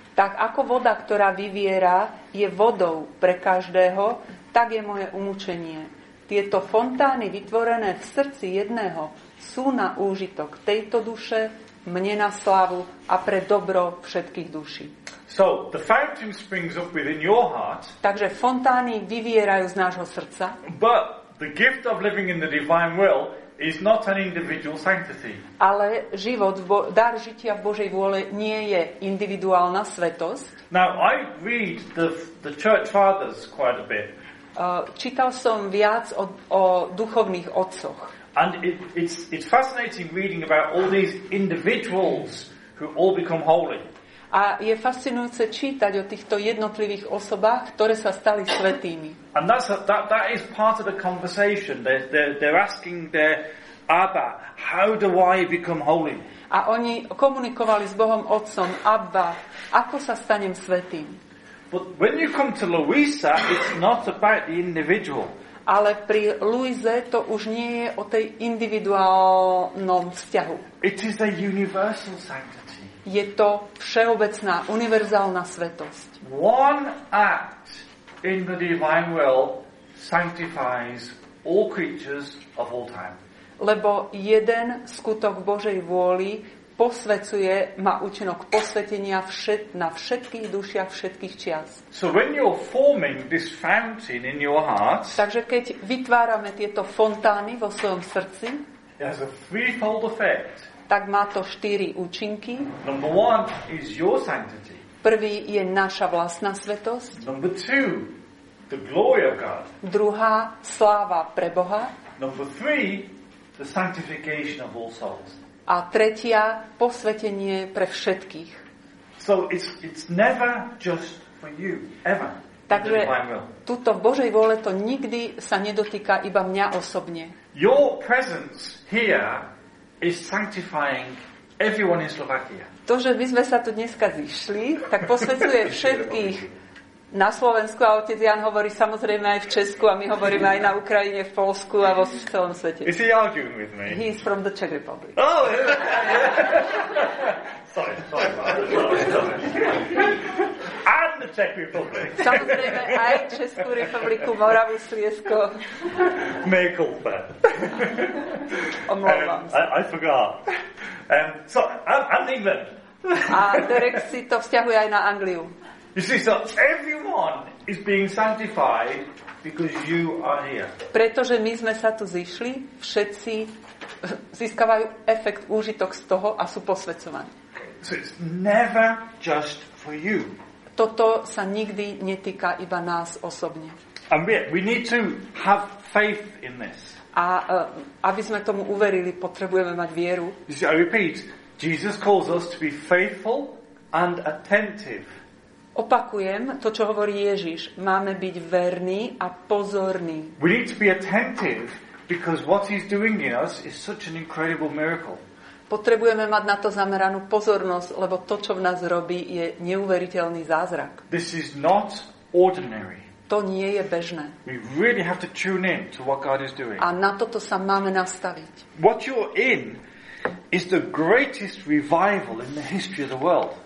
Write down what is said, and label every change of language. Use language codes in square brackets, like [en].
[sk] Tak ako voda, ktorá vyviera, je vodou pre každého, tak je moje umučenie. Tieto fontány vytvorené v srdci jedného sú na úžitok tejto duše, mne na slávu a pre dobro všetkých duší. [en] So the fountain springs up within your heart. [sk] Takže fontány vyvierajú z nášho srdca. [en] But the gift of living in the divine will is not an individual sanctity. [sk] Ale život, dar žitia v Božej vôle nie je individuálna svetosť. [en] Now I read the church fathers quite a bit. [sk] Čítal som viac o duchovných otcoch. [en] And it's fascinating reading about all these individuals who all become holy. [sk] A je fascinujúce čítať o týchto jednotlivých osobách, ktoré sa stali svätými. [en] And that is part of the conversation. They're asking their Abba, how do I become holy? [sk] A oni komunikovali s Bohom Otcom, Abba, ako sa stanem svätým? [en] But when you come to Louisa, it's not about the individual. [sk] Ale pri Louise to už nie je o tej individuálnom vzťahu. [en] It is a universal sanctity. [sk] Je to všeobecná, univerzálna svetosť. [en] One act in the divine will sanctifies all creatures of all time. [sk] Lebo jeden skutok Božej vôli posvecuje, má účinok posvetenia na všetkých dušiach všetkých čias. [en] So when you're forming this fountain in your heart, [sk] takže keď vytvárame tieto fontány vo svojom srdci, [en] it has a threefold effect. [sk] Tak má to štyri účinky. [en] Number one is your sanctity. [sk] Prvý je naša vlastná svetosť. [en] Number two, the glory of God. [sk] Druhá, sláva pre Boha. [en] Number three, the sanctification of all souls. [sk] A tretia, posvetenie pre všetkých. [en] So it's never just for you, ever. [sk] Takže tuto v Božej vôle to nikdy sa nedotýka iba mňa osobne. [en] Your presence here is sanctifying everyone in Slovakia. [sk] To, že my sme sa tu dneska zišli, tak posvetuje všetkých na Slovensku, a otec Jan hovorí samozrejme aj v Česku, a my hovoríme aj na Ukrajine, v Polsku a vo celom svete. [en] Is he arguing with me? He's from the Czech Republic. Oh, yeah. Sorry. And the Czech Republic. [sk] Samozrejme aj Českú republiku, Moravu, Sliezsko. [la] Mea culpa. [cs] Omlouvám [sk] sa. [en] I forgot. So, I'm England. [sk] A Derek si to vzťahuje aj na Angliu. [en] You see, so everyone is being sanctified because you are here. [sk] Pretože my sme sa tu zišli, všetci získavajú efekt, úžitok z toho a sú posvecovaní. [en] So it's never just for you. [sk] Toto sa nikdy netýka iba nás osobne. [en] And we need to have faith in this. [sk] A aby sme tomu uverili, potrebujeme mať vieru. [en] You see, I repeat, Jesus calls us to be faithful and attentive. [sk] Opakujem to, čo hovorí Ježiš. Máme byť verní a pozorní. [en] We need to be attentive because what he's doing in us is such an incredible miracle. [sk] Potrebujeme mať na to zameranú pozornosť, lebo to, čo v nás robí, je neuveriteľný zázrak. [en] This is not ordinary. [sk] To nie je bežné. [en] We really have to tune in to what God is doing. [sk] A na toto sa máme nastaviť. [en] What you're in is the greatest revival in the history of the world.